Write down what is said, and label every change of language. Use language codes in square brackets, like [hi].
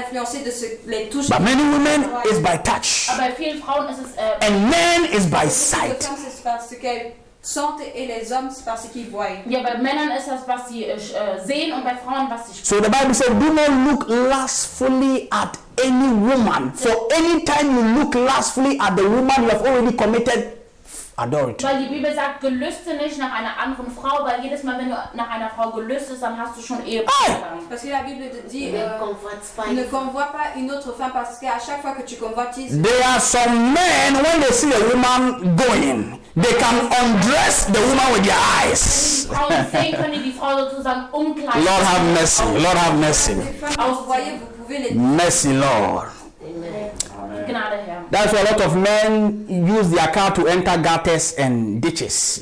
[en] But many women is by touch. And men is by sight. [fr] Sentent et les hommes parce qu'ils voient. [de] Ja, bei Männern ist das, was sie sehen, und bei Frauen, was sie spüren. [en] So the Bible says, do not look lustfully at any woman. For any time you look lustfully at the woman, you have already committed adultery. [de] Weil die Bibel sagt, gelüste nicht nach einer anderen Frau, weil jedes Mal, wenn du nach einer Frau gelüstest, dann hast du schon Ehebruch begangen. [fr] Parce que la Bible dit, ne convoite pas une autre femme, parce que à chaque fois que tu convoites, [en] there are some men, when they see a woman going, they can undress the woman with their eyes. Lord have mercy. Lord have mercy. Mercy, Lord. Amen. That's why a lot of men use their car to enter gutters and ditches.